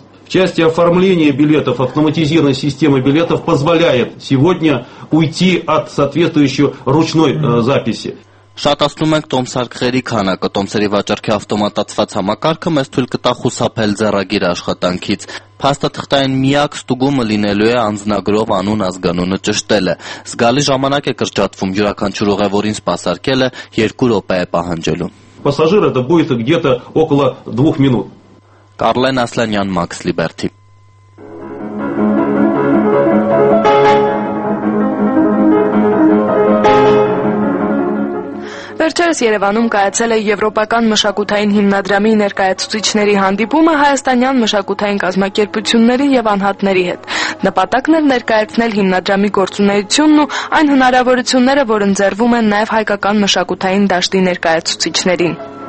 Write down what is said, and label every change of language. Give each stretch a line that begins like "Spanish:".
Russian: В части оформления билетов автоматизированная система билетов позволяет сегодня уйти от соответствующей ручной записи.
Armenian: Շատացնում ենք տոմսարկղերի քանակը, տոմսերի վաճառքի ավտոմատացված համակարգը մեզ թույլ կտա խուսափել ձեռագիր աշխատանքից։ Փաստաթղթային միակ ստուգումը լինելու է անձնագրով անուն ազգանունը ճշտելը։ Զգալի ժամանակ է կրճատվում, յուրաքանչյուր ուղևորին սպասարկելը 2 րոպե է պահանջելու։
Russian: Пассажир это будет где-то около 2 минут.
Armenian: Կարլեն Ասլանյան, Մաքս Լիբերթի։ Վերջերս Երևանում կայացել է Եվրոպական մշակութային հիմնադրամի ներկայացուցիչների հանդիպումը հայաստանյան մշակութային կազմակերպությունների և անհատների հետ։ Նպատակն էր ներկայացնել հիմնադրամի գործունեությունն ու այն հնարավորությունները, որ ընձեռվում են նաև հայկական մշակութային դաշտի ներկայացուցիչներին։